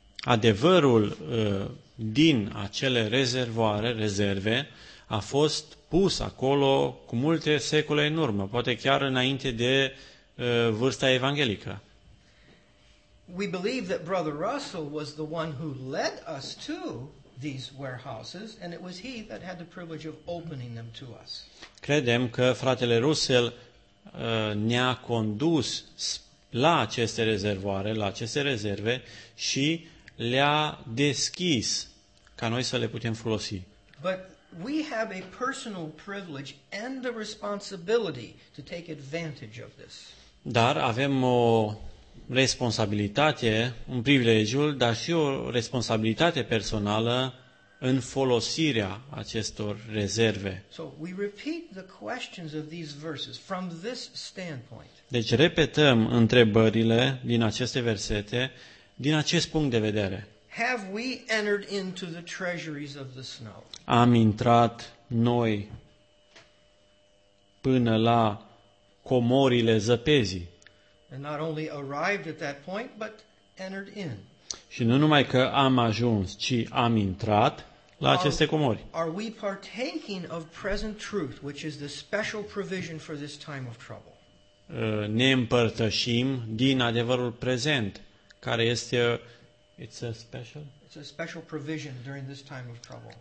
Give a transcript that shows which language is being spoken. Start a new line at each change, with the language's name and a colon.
Romanian: Adevărul din acele rezerve a fost pus acolo cu multe secole în urmă, poate chiar înainte de vârsta evanghelică.
English: We believe that Brother Russell was the one who led us to these warehouses, and it was he that had the privilege of opening them to us.
Romanian: Credem că fratele Russell ne-a condus la aceste rezervoare, la aceste rezerve și le-a deschis ca noi să le putem folosi.
English: But we have a personal privilege and the responsibility to take advantage of this.
Romanian: Dar avem o responsabilitate, un privilegiu, dar și o responsabilitate personală în folosirea acestor rezerve.
English: So we repeat the questions of these verses from this standpoint.
Romanian: Deci repetăm întrebările din aceste versete din acest punct de vedere.
English: Have we entered into the treasuries of the snow?
Romanian: Am intrat noi până la comorile zăpezii.
English: And not only arrived at that point, but entered in.
Romanian: Și nu numai că am ajuns, ci am intrat la aceste comori.
English: Are we partaking of present truth, which is the special provision for this time of trouble?
Romanian: Ne împărtășim din adevărul prezent, care este
English: It's a special provision during this time of trouble.